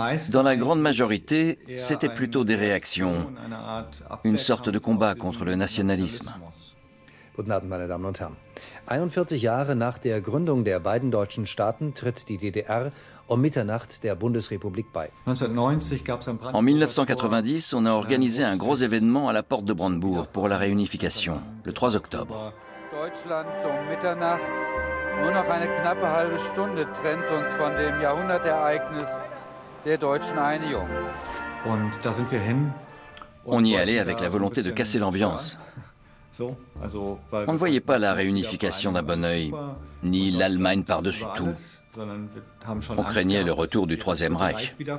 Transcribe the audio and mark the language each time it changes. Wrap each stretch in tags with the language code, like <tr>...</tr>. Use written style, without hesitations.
<fr>Dans la grande majorité, c'était plutôt des réactions, une sorte de combat contre le nationalisme.</fr> <de>Guten Abend, meine Damen und Herren. 41 Jahre nach der Gründung der beiden deutschen Staaten tritt die DDR um Mitternacht der Bundesrepublik bei.</de> <fr>En 1990, on a organisé un gros événement à la porte de Brandebourg pour la réunification, le 3 octobre.</fr> <de>Deutschland um Mitternacht. Nur noch eine knappe halbe Stunde trennt uns von dem Jahrhundertereignis der deutschen Einigung. Und da sind wir hin.</de> <fr>On y allait avec la volonté de casser l'ambiance. On ne voyait pas la réunification d'un bon œil, ni l'Allemagne par-dessus tout. On craignait le retour du Troisième Reich.</fr>